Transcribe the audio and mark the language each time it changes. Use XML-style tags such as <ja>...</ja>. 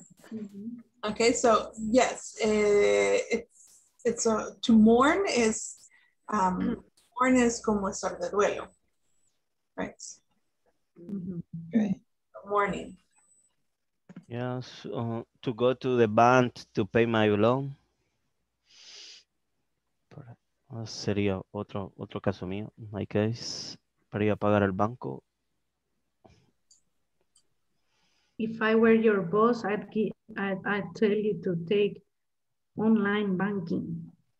<en>Mm-hmm. Okay, so yes, to mourn is, mourn is</en> <es>como estar de duelo,</es> <en>right? Mm-hmm. Okay. Mourning. Yes, to go to the bank to pay my loan.</en> <es>Sería otro caso mío,</es> <en>my case,</en> <es>para ir a pagar al banco.</es> <en>If I were your boss, I'd tell you to take online banking.</en>